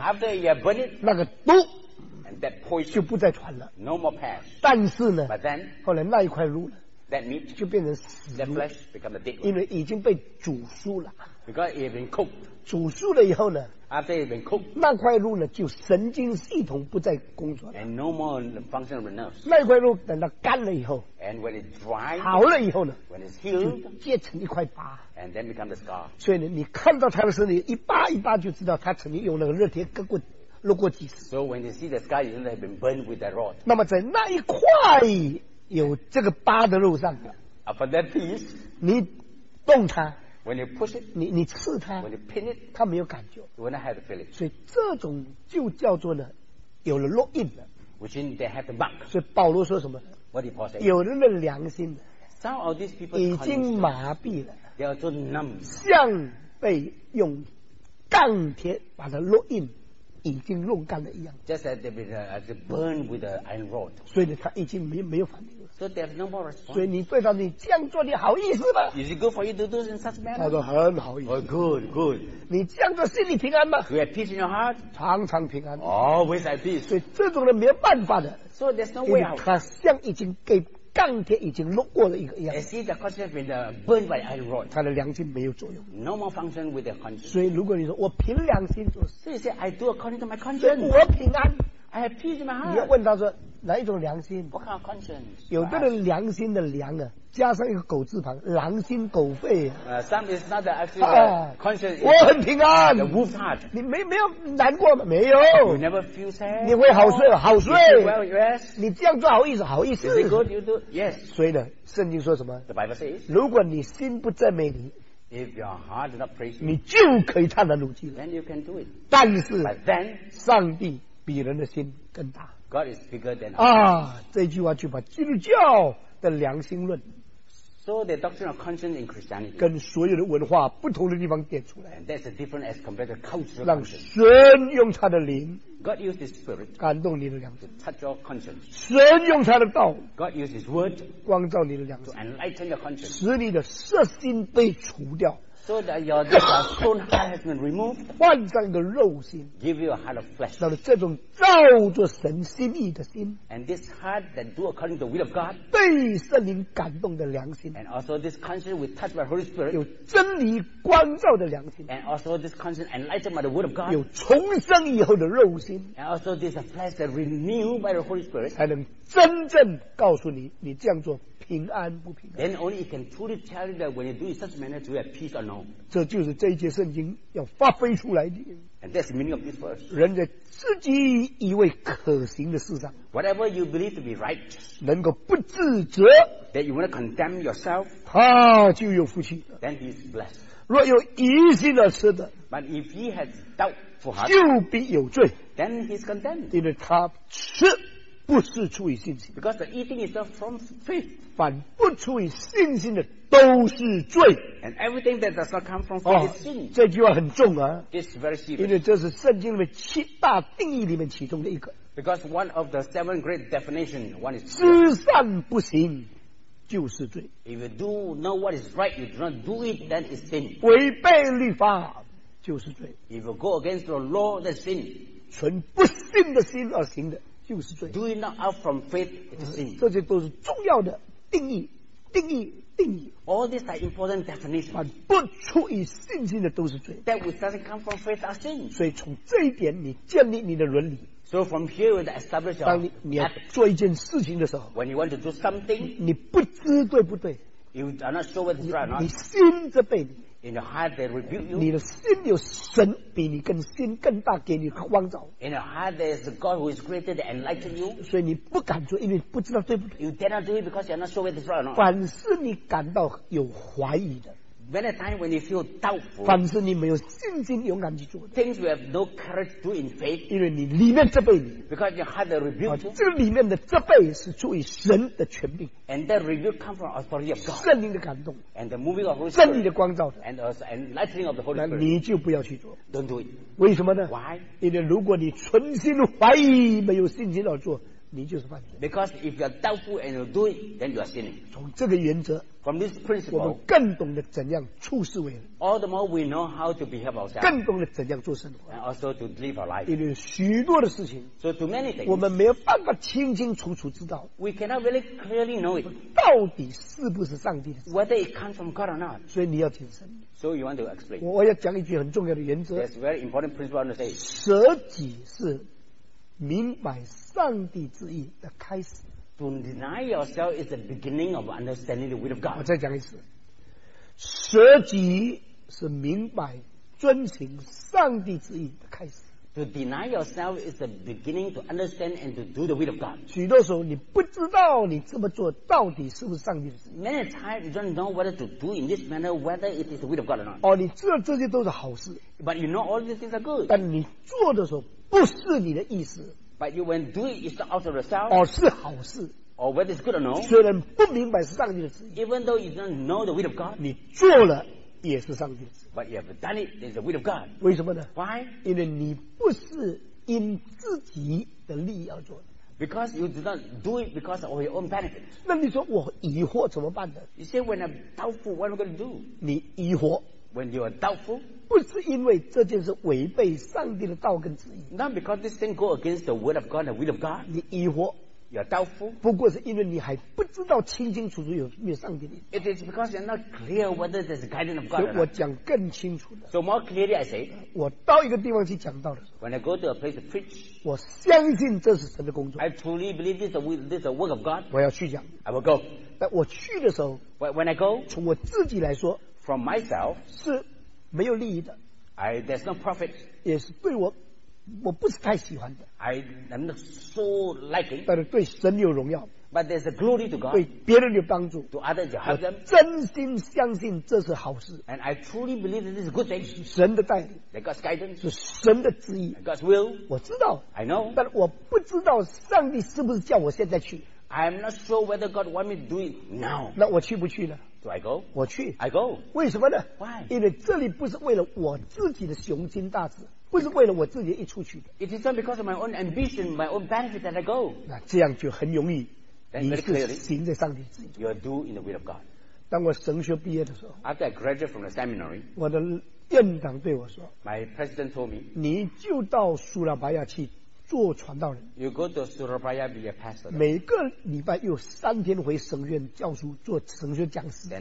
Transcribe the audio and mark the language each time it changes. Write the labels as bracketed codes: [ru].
[en] after you have burned it, [zh] 那个毒 [en] and that poison, [zh] 就不再传了 [en] no more pass. [zh] 但是呢 [en] but then, [zh] 后来那一块肉呢 [en] that meat, [zh] 就变成死 [en] that flesh become a dead one. [zh] 因为已经被煮熟了 [en] because it has been cooked. [zh] 煮熟了以后呢 [en] After it's been cooked, [zh] 那块肉呢就神经系统不再工作了 [en] and no more function of the nerves. [zh] 那块肉等它干了以后 [en] and when it's dry, [zh] 好了以后呢 [en] when it's healed, [zh] 就结成一块疤 [en] and then become the scar. [zh] 所以呢你看到它的身体一疤一疤就知道它曾经用那个热铁割过落过几次 [en] So when you see the scar, it has been burned with the rod. [zh] 那么在那一块有这个疤的肉上 [en] for that piece, [zh] 你动它 [en] When you push it, [zh] 你刺它 [en] when you pin it, [zh] 它没有感觉 [en] when I have the feeling. [zh] 所以这种就叫做呢有了烙印了 [en] which means they have the mark. [zh] 所以保罗说什么 [en] what did Paul say? [zh] 有人的良心 [en] Some of these people [zh] 已经麻痹了 [en] they are so numb. [zh] 像被用钢铁把它烙印已经弄干了一样 [en] just as they've been as they burned with the iron rod [zh] 所以他已经没有反应了 [en] so there's no more response [zh] 所以你对他你这样做你好意思吗 [en] is it good for you to do this in such manner [zh] 他说很好意思、 [en] oh, good good [zh] 你这样做心里平安吗 [en] you have peace in your heart [zh] 常常平安 [en] always at peace [zh] 所以这种人没有办法的 [en] so there's no way out [zh] 他像已经给钢铁已经弄过了一个样 [en] you see the conscience has been burned by iron rod [zh] 他的良心没有作用 [en] no more function with the conscience [zh] 所以如果你说我凭良心做事 [en] so you say I do according to my conscience [zh] 我平安 [en] I have peace in my heart [zh] 你要问他说哪一种良心 [en] what kind of conscience [zh] 有的人良心的良、啊、加上一个狗字旁狼心狗肺、啊 [en] some is not the actual、啊、conscience [zh] 我很平安 [en] the wolf's heart [zh] 你 没有难过吗没有 [en] you never feel sad [zh] 你会好睡、oh, 好睡 [en] well, yes. [zh] 你这样做好意思好意思 [en] is it good you do yes [zh] 所以呢圣经说什么 [en] the Bible says [zh] 如果你心不赞美你 [en] if your heart does not praise you [zh] 你就可以唱得如今 [en] then you can do it [zh] 但是 [en] but then [zh] 上帝比人的心更大 [en] God is bigger than [zh] 啊这句话就把基督教的良心论 [en] so the doctrine of conscience in Christianity [zh] 跟所有的文化不同的地方点出来 [en] and that's different as compared to cultural [zh] 让神用他的灵 [en] God used his spirit [zh] 感动你的良心 [en] to touch your conscience [zh] 神用他的道 [en] God used his word [zh] 光照你的良心 [en] to enlighten your conscience [zh] 使你的色心被除掉 [en] So that your stone heart has been removed, [zh] 换上一个肉心 [en] give you a heart of flesh. [zh] 那这种照着神心意的心 [en] and this heart that do according to the will of God, [zh] 被圣灵感动的良心 [en] and also this conscience with touched by the Holy Spirit, [zh] 有真理光照的良心 [en] and also this conscience enlightened by the word of God, [zh] 有重生以后的肉心 [en] and also this flesh that renewed by the Holy Spirit, [zh] 才能真正告诉你，你这样做。平安不平安 [en] Then only you can truly tell you that when you do it in such manner to have peace or no. [zh] 这就是这一节圣经要发挥出来的。 [en] And that's the meaning of this verse. [zh] 人在自己以为可行的事上 [en] Whatever you believe to be right. [zh] 能够不自责 [en] That you want to condemn yourself. [zh] 他就有福气。 [en] Then he is blessed. [zh] 若有疑心而吃的 [en] But if he has doubt for heart. [zh] 就必有罪。 [en] Then he is condemned. [zh] 因为他吃不是出于信心 [en] because the eating is not from faith [zh] 反不出于信心的都是罪 [en] and everything that does not come from faith is sin [zh] 这句话很重啊 [en] it's very serious [zh] 因为这是圣经里面七大定义里面其中的一个 [en] because one of the seven great definitions one is [zh] 知善不行就是罪。 [en] If you do know what is right, you do not do it, then it's sin. [zh] 违背律法就是罪。 [en] If you go against the law, that's sin. [zh] 存不信的心而行的就是罪。 [en] Do it not out from faith, it's sin. [zh] 这些都是重要的定义，定义，定义。 [en] All these are important definitions. [zh] 凡不出于信心的都是罪。 [en] That which doesn't come from faith are sin. [zh] 所以从这一点，你建立你的伦理。 [en] So from here we establish our. [zh] 当你要做一件事情的时候 [en] ，When you want to do something, [zh] 你不知对不对 [en] ？You are not sure whether it's right or not. [zh] 你心责备你 [en] ，In your heart they rebuke you. [zh] 你的心有神比你更心更大给你光照 [en] ，In your heart there is a God who is greater than enlighten you. [zh] 所以你不敢做，因为不知道对不对 [en] ？You dare not do it because you are not sure whether it's right or not. [zh] 凡是你感到有怀疑的。 [en] Many times when you feel doubtful, [zh] 凡是你没有信心勇敢去做 [en] things you have no courage to do in faith, [zh] 因为你里面责备你 [en] because you have the rebuke. [zh] 这个里面的责备是出于神的权柄 [en] and that rebuke comes from authority of God. [zh] 圣灵的感动 [en] and the moving of Holy Spirit. [zh] 圣灵的光照 [en] and the enlightening of the Holy Spirit. [zh] 那你就不要去做 [en] don't do it. [zh] 为什么呢 [en] why? [zh] 因为如果你存心怀疑没有信心而做你就是犯罪 [en] because if you are doubtful and you do it, then you are sinning. [zh] 从这个原则 [en] from this principle, [zh] 我们更懂得怎样处事为人 [en] all the more we know how to behave ourselves, [zh] 更懂得怎样做生活 [en] and also to live our life. [zh] 因为许多的事情 [en] so to many things, [zh] 我们没有办法清清楚楚知道 [en] we cannot really clearly know it, [zh] 到底是不是上帝的事 [en] whether it comes from God or not. [zh] 所以你要谨慎 [en] so you want to explain. [zh] 我要讲一句很重要的原则 [en] there's very important principle I want to say. [zh] 舍己是明白上帝旨意的开始。 [en] To deny yourself is the beginning of understanding the will of God. [zh] 我再讲一次，舍己是明白遵行上帝旨意的开始。 [en] To deny yourself is the beginning to understand and to do the will of God. [zh] 许多时候你不知道你这么做到底是不是上帝的旨意。 [en] Many times you don't know whether to do in this manner whether it is the will of God or not. [zh] 哦，你知道这些都是好事。 [en] But you know all these things are good. [zh] 但你做的时候。不是你的意思 [en] but you when do it is not out of yourself [zh] 而是好事 [en] or whether it's good or no [zh] 虽然不明白是上帝的旨意 [en] even though you don't know the will of God [zh] 你做了也是上帝的旨意 [en] but you have done it is the will of God [zh] 为什么呢 [en] why [zh] 因为你不是因自己的利益而做的 [en] because you do not do it because of your own benefit [zh] 那你说我疑惑怎么办呢 [en] you say when I'm doubtful what am I going to do [zh] 你疑惑 [en] When you are doubtful, [zh] 不是因为这件事违背上帝的道跟旨意。 [en] Not because this thing go against the word of God, the will of God. [zh] 你疑惑 [en] you are doubtful. [zh] 不过是因为你还不知道清清楚楚有没有上帝的。 [en] It is because you're not clear whether there's a guidance of God. [zh] 所以我讲更清楚的。 [en] So more clearly, I say, [zh] 我到一个地方去讲道的时候 [en] when I go to a place to preach, [zh] 我相信这是神的工作。 [en] I truly believe this is a work of God. [zh] 我要去讲。 [en] I will go. [zh] 但我去的时候 [en] when I go, [zh] 从我自己来说。 [en] From myself, [zh] 是没有利益的 [en] I, there's no profit. [zh] 也是对我不是太喜欢的 [en] I am not so liking. [zh] 但是对神有荣耀 [en] But there's a glory to God. [zh] 对别人有帮助 [en] To others, you help them. [zh] 真心相信这是好事 [en] And I truly believe that this is a good thing. [zh] 神的带领 [en] That God's guidance. [zh] 是神的旨意 [en] God's will. [zh] 我知道 [en] I know. [zh] 但我不知道上帝是不是叫我现在去 [en] I am not sure whether God wants me to do it now. [zh] 那我去不去呢 [en] Do I go? [zh] 我去 [en] I go. [zh] 为什么呢 [en] Why? [zh] 因为这里不是为了我自己的雄心大志不是为了我自己一出去的 [en] It is not because of my own ambition my own benefit that I go [zh] 那这样就很容易 [en] Then, [zh] 你是行在上帝之 [en] 意 You are doing in the will of God [zh] 当我神学毕业的时候 [en] After I graduate from the seminary [zh] 我的院长对我说 [en] My president told me [zh] 你就到苏拉巴亚去做传道人 [en] You go to Surabaya be a pastor [zh] 每个礼拜有三天回神学院教书做神学讲师